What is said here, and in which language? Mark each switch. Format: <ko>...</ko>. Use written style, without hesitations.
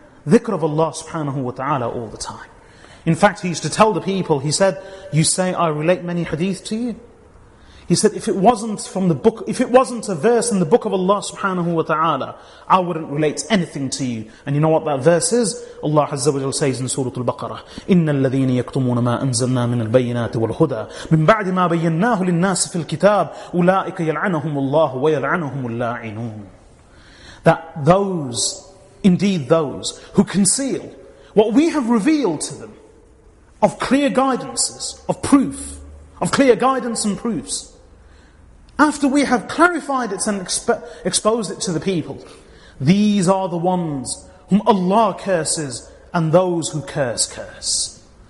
<en>Dhikr of Allah subhanahu wa ta'ala all the time. In fact, he used to tell the people, he said, you say I relate many hadith to you? He said, if it wasn't a verse in the book of Allah subhanahu wa ta'ala, I wouldn't relate anything to you. And you know what that verse is? Allah Azza wa Jalla says in Surah Al-Baqarah,</en> <ar>إِنَّ الَّذِينَ يَكْتُمُونَ مَا أَنزَلْنَا مِنَ الْبَيِّنَاتِ وَالْهُدَىٰ مِن بَعْدِ مَا بَيَّنَّاهُ لِلنَّاسِ فِي الْكِتَابِ أُولَٰئِكَ يَلْعَنَهُمُ اللَّهُ وَيَلْعَنَهُمُ اللَّاعِنُونَ.</ar> <en>That those, indeed those, who conceal what we have revealed to them of clear guidances, of proof, of clear guidance and proofs, after we have clarified it and exposed it to the people, these are the ones whom Allah curses and those who curse.</en>